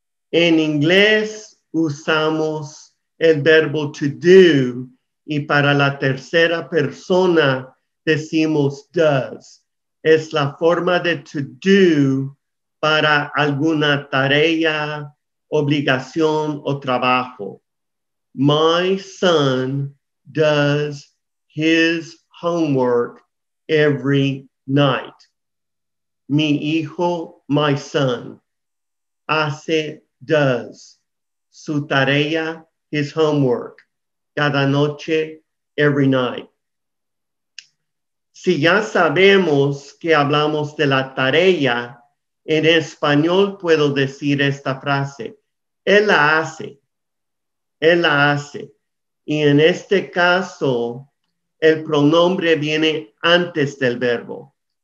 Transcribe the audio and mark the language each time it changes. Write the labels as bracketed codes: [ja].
[es] En inglés usamos el verbo to do y para la tercera persona decimos does. Es la forma de to do para alguna tarea, obligación o trabajo. [en] My son does his homework every night. [es] Mi hijo, [en] my son, [es] hace, [en] does, [es] su tarea, [en] his homework, [es] cada noche, [en] every night. [es] Si ya sabemos que hablamos de la tarea, En español puedo decir esta frase. Él la hace. Él la hace. Y en este caso, el pronombre viene antes del verbo.